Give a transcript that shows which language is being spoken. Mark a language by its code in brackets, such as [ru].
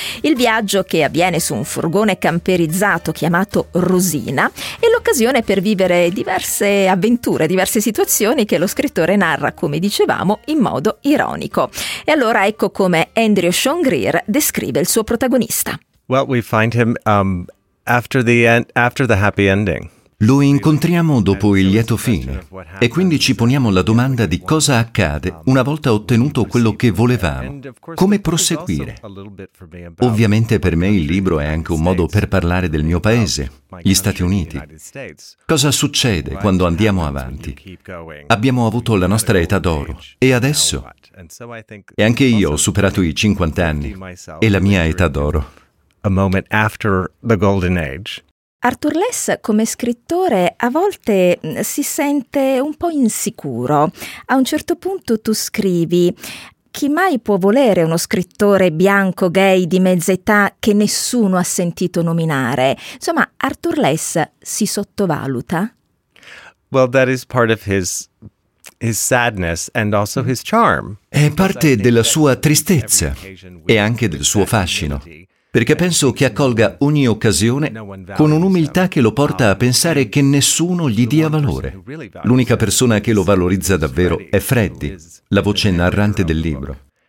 [it] Il viaggio, che avviene su un furgone camperizzato chiamato Rosina, è l'occasione per vivere diverse avventure, diverse situazioni che lo scrittore narra, come dicevamo, in modo ironico. E allora ecco come Andrew Sean Greer descrive il suo protagonista. [en] Well, we find him after the happy ending. [it] Lo incontriamo dopo il lieto fine e quindi ci poniamo la domanda di cosa accade una volta ottenuto quello che volevamo. Come proseguire? Ovviamente per me il libro è anche un modo per parlare del mio paese, gli Stati Uniti. Cosa succede quando andiamo avanti? Abbiamo avuto la nostra età d'oro e adesso? E anche io ho superato i 50 anni e la mia età d'oro. [en] A moment after the golden age. [it] Arthur Less, come scrittore, a volte si sente un po' insicuro. A un certo punto tu scrivi: chi mai può volere uno scrittore bianco, gay, di mezza età che nessuno ha sentito nominare? Insomma, Arthur Less si sottovaluta? [en] Well, that is part of his sadness and also his charm. [it] È parte della sua tristezza e anche del suo fascino. Perché penso che accolga ogni occasione con un'umiltà che lo porta a pensare che nessuno gli dia valore. L'unica persona che lo valorizza davvero è Freddy, la voce narrante del libro.